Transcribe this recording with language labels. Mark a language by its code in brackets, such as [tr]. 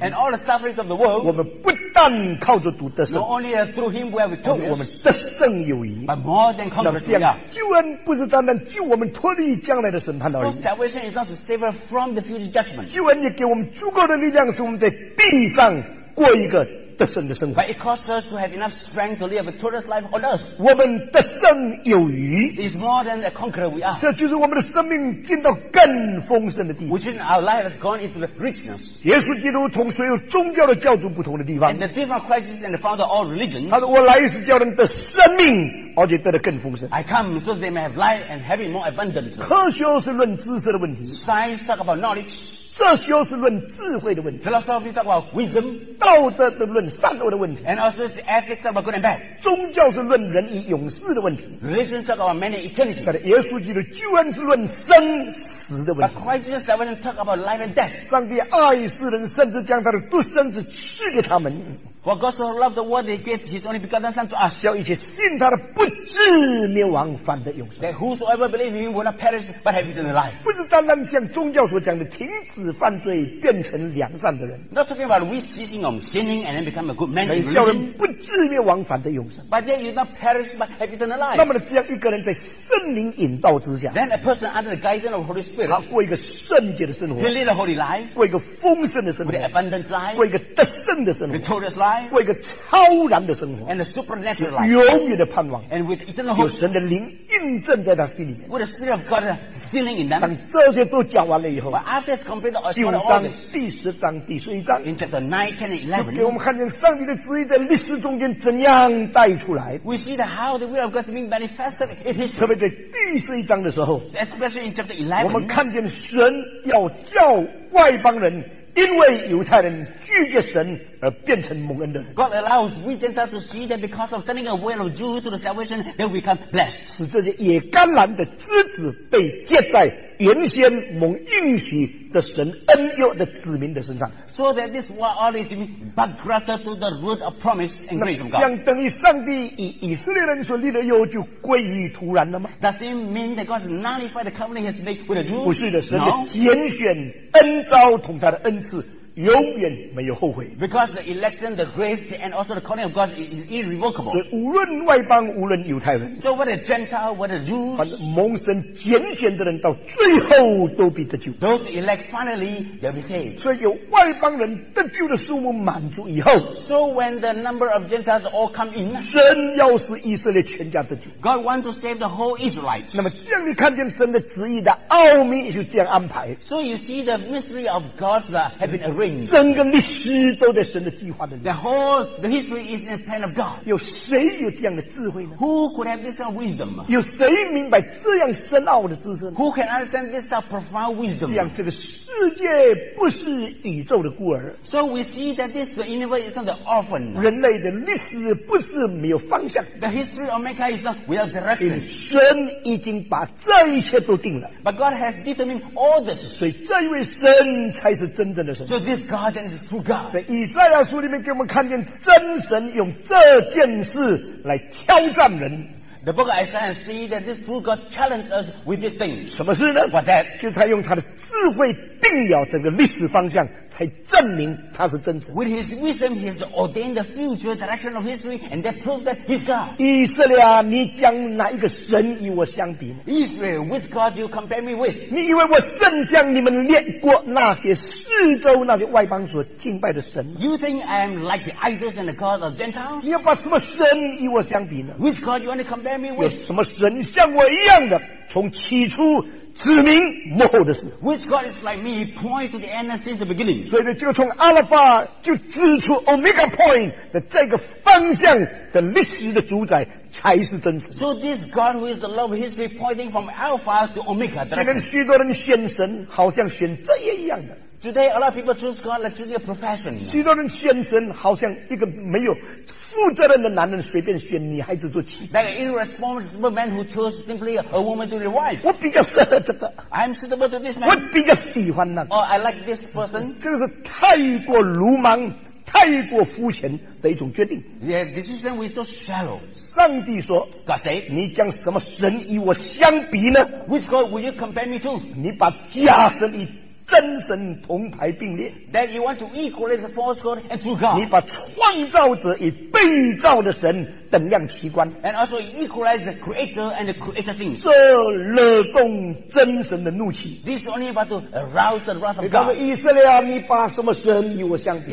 [en] and all the sufferings of the world, [zh] 我们不但靠着主得胜 [en] not only through him where we told us, [zh] 我们得胜有余 [en] but more than conquerors, [zh] 那么这样救恩不是单单救我们脱离将来的审判而已 [en] so salvation is not to save us from the future judgment, [zh] 救恩也给我们足够的力量使我们在地上过一个得胜的生活 [en] but it causes us to have enough strength to live a victorious life on earth, [zh] 我们得胜有余 [en] is more than a conqueror we are, [zh] 这就是我们的生命进到更丰盛的地方 [en] which means our life has gone into the richness, [zh] 耶稣基督从所有宗教的教主不同的地方 [en] and the different crises and the founder of all religions, [zh] 他说我来是叫人的生命而且得的更丰盛 [en] I come so they may have life and have more abundance, [zh] 科学是论知识的问题 [en] science talk about knowledge, [zh] 这修是论智慧的问题 [en] philosophy talk about wisdom [zh] 道德的论善恶的问题 [en] and also the ethics talk about good and bad [zh] 宗教是论人与永世的问题 [en] religion talk about man and eternity [zh] 但是耶稣基督救恩是论生死的问题 [en] but Christ Jesus salvation talk about life and death [zh] 上帝爱世人甚至将他的独生子赐给他们 [en] for God so loved the world that he gave his only begotten son to us [zh] 叫一切信他的不至灭亡反得永生 [en] that whosoever believes in him will not perish but have eternal life [zh] 不是单单像宗教所讲的停止犯罪变成良善的人 [en] not talking about we ceasing on sinning and then become a good man [zh] 叫人不至灭亡反得永生 [en] but then you not perish but have eternal life [zh] 那么这样一个人在圣灵引导之下 [en] then a person under the guidance of Holy Spirit [zh] 他过一个圣洁的生活 [en] he lead a holy life [zh] 过一个丰盛的生活 [en] with an abundant life [zh] 过一个得胜的生活 [en] victorious life [zh] 过一个超然的生活 [en] and a supernatural life [zh] 永远的盼望 [en] and with eternal hope [zh] 有神的灵印证在他心里面 [en] with the spirit of God sealing in them [zh] 当这些都讲完了以后 [en] but after it's completed [zh] 九章第十章第十一章 [en] in chapter 9, 10 and 11, [zh] 给我们看见上帝的旨意在历史中间怎样带出来 [en] we see that how the will of God is being manifested in history [zh] 特别在第十一章的时候 [en] especially in chapter 11, [zh] 我们看见神要叫外邦人因为犹太人拒绝神而变成蒙恩的人 [en] God allows we Gentiles to see that because of turning away of Jews to the salvation they will become blessed [zh] 使这些野橄榄的枝子被接在原先蒙应许的神恩佑的子民的身上 [en] so that this world all is but grafted to the root of promise and grace of God [zh] 将等于上帝以以色列人所立的约就归于土然了吗 [en] does it mean that God has nullified the covenant he has made with the Jews [zh] 不是的神的拣选恩召同他的恩赐永远没有后悔 [en] because the election the grace and also the calling of God is irrevocable [zh] 所以无论外邦无论犹太人 [en] so whether Gentile whether Jews [zh] 反正蒙神拣选的人到最后都必得救 [en] those elect finally they'll be saved [zh] 所以有外邦人得救的数目满足以后 [en] so when the number of Gentiles all come in [zh] 神要使以色列全家得救 [en] God wants to save the whole Israelites [zh] 那么这样你看见神的旨意的奥秘就这样安排 [en] so you see the mystery of God's heavenly [zh] 整个历史都在神的计划的里面 [en] the whole the history is in the plan of God [zh] 有谁有这样的智慧呢 [en] who could have this wisdom [zh] 有谁明白这样深奥的知识呢 [en] who can understand this profound wisdom [zh] 这样这个世界不是宇宙的孤儿 [en] so we see that this universe is not the orphan [zh] 人类的历史不是没有方向 [en] the history of mankind is not without direction [zh] 神已经把这一切都定了 [en] but God has determined all this [zh] 所以这一位神才是真正的神 [en] So this God is true God. [zh] 在以赛亚书里面给我们看见真神用这件事来挑战人。 [en] The book of Isaiah see that this true God challenged us with this thing. [zh] 什么事呢 [en] ？What that? [zh] 就是他用他的智慧定了整个历史方向，才证明他是真神。 [en] With his wisdom, he has ordained the future direction of history, and that proves that he's God. [zh] 以色列啊，你将哪一个神与我相比 [en] ？Israel, which God do you compare me with? [zh] 你以为我正将你们列国那些四周那些外邦所敬拜的神 [en] ？You think I am like the idols and the gods of Gentiles? [zh] 你要把什么神与我相比呢 [en] ？Which God you want to compare? [zh] 有什么神像我一样的从起初指明幕后的事 [en] Which God is like me point to the end since the beginning [zh] 所以就从 Alpha 就指出 Omega Point 的这个方向的历史的主宰才是真神。 [en] So this God who is the love, he's pointing from Alpha to Omega. [zh] 今天许多人选神，好像选这一样的。 [en] Today a lot of people choose God like choosing a profession. [zh] 许多人选神，好像一个没有负责任的男人随便选女孩子做妻子。 [en] Like an irresponsible man who chose simply a woman to be wife. [zh] 我比较适合这个。 [en] I'm suitable to this man. [zh] 我比较喜欢那个。 [en] Or I like this person. [zh] 这是太过鲁莽。太过肤浅的一种决定。 [en] The decision was so shallow. [zh] 上帝说 [en] ，God said, [zh] 你将什么神与我相比呢 [en] ？Which God will you compare me to？ [zh] 你把假神与真神同排并列。 [en] That you want to equalize the false God and true God？ [zh] 你把创造者与被造的神等量齐观。 [en] And also equalize the creator and the created things。 [zh] 这惹动真神的怒气。 [en] This only about to arouse the wrath of God。 [zh] 你告诉以色列啊，你把什么神与我相比